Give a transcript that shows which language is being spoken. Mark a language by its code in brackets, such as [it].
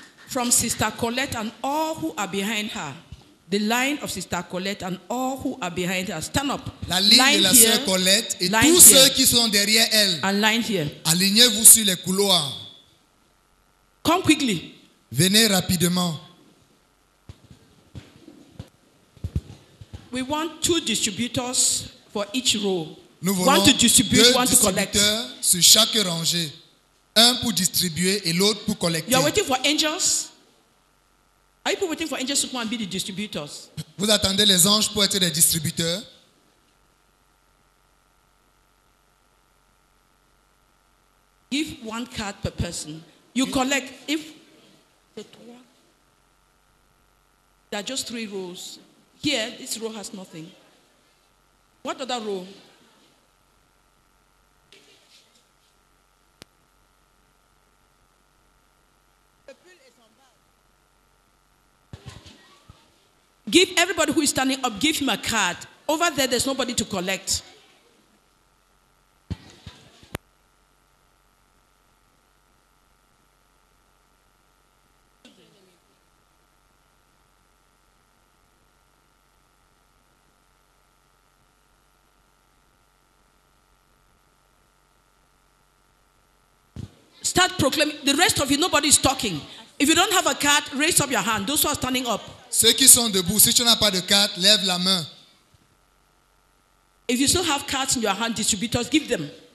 [en] From Sister Colette and all who are behind her. The line of Sister Colette and all who are behind her. Stand up. [fr] La ligne [en] line [fr] de la sœur Colette et line tous ceux qui sont derrière elle. [en] And line here. [fr] Alignez-vous sur les couloirs. [en] Come quickly. [fr] Venez rapidement. [en] We want two distributors for each row. [fr] Nous voulons [en] one to distribute, [fr] deux [en] one to collect. [fr] Sur chaque rangée. Un pour distribuer et l'autre pour collecter. [en] You are waiting for angels? Are you waiting for angels to come and be the distributors? [fr] Vous attendez les anges pour être les distributeurs? [en] Give one card per person. You collect if the two. There are just three rows. Here, this row has nothing. What other row? Give everybody who is standing up, give him a card. Over there, there's nobody to collect. Start proclaiming. The rest of you, nobody is talking. If you don't have a card, raise up your hand. Those who are standing up. [fr] Ceux qui sont debout, si tu n'as pas de carte, lève la main. [en] If you still have cards in your hand, distributors, give them.